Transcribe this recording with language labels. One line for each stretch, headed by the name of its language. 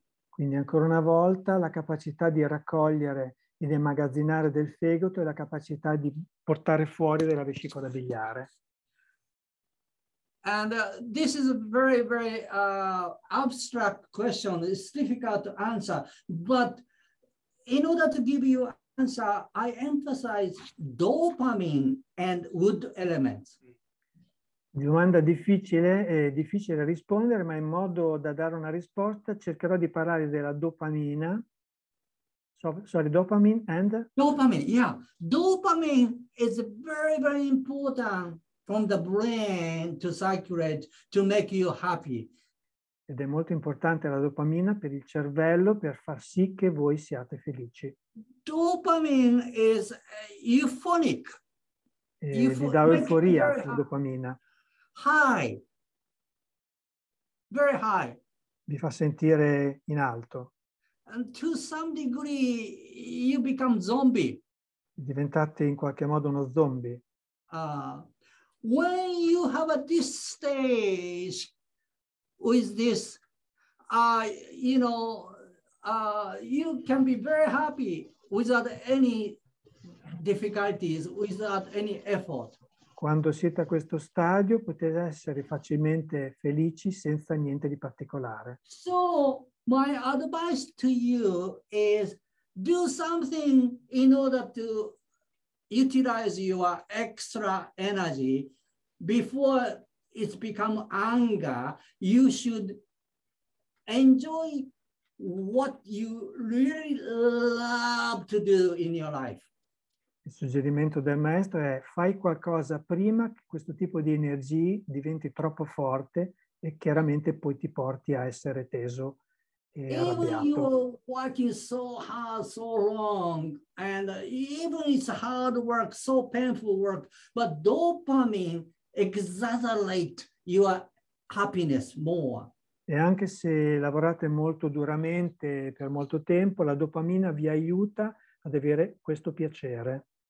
Italian: Quindi ancora una volta la capacità di raccogliere ed immagazzinare del fegato e la capacità di portare fuori della vescica biliare.
English: And this is a very very abstract question. It's difficult to answer, but in order to give you answer, I emphasize dopamine and wood elements.
Italian: Domanda difficile, è difficile rispondere, ma in modo da dare una risposta cercherò di parlare della dopamina.
English: Dopamine and? Dopamine, yeah. Dopamine is very, very important from the brain to circulate to make you happy.
Italian: Ed è molto importante la dopamina per il cervello, per far sì che voi siate felici.
English: Dopamine is euphonic.
Italian: Vi dà euforia la dopamina.
English: High. Very high.
Italian: Vi fa sentire in alto.
English: And to some degree you become zombie.
Italian: Diventate in qualche modo uno zombie.
English: When you have a this stage with this, you can be very happy without any difficulties, without any effort.
Italian: Quando siete a questo stadio potete essere facilmente felici senza niente di particolare.
English: So my advice to you is do something in order to utilize your extra energy before it becomes anger. You should enjoy what you really love to do in your life.
Italian: Il suggerimento del maestro è: fai qualcosa prima che questo tipo di energia diventi troppo forte e chiaramente poi ti porti a essere teso e arrabbiato.
English: Even you are working so hard, so long, and even it's hard work, so painful work, but dopamine exaggerates your happiness more.
Italian: E anche se lavorate molto duramente per molto tempo, la dopamina vi aiuta ad avere questo piacere.